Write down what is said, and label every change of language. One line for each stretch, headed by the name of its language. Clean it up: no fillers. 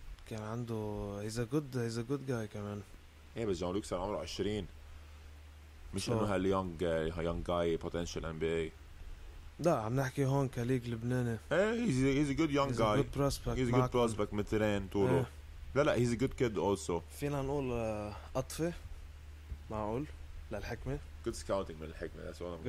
Arabic: كان عنده
English: he's a good guy كمان
Arabic: ايه بس جون لوك صار عمره 20 مش انه هاليونج جاي potential NBA لا عم نحكي هون كليج لبناني
English: ايه he's a good young guy good prospect he's a good prospect
Arabic: مترين طوله إيه. لا
English: he's a good kid also
Arabic: فينا نقول قطفه معقول للحكمه
English: good scouting
Arabic: من الحكمه
English: that's what I'm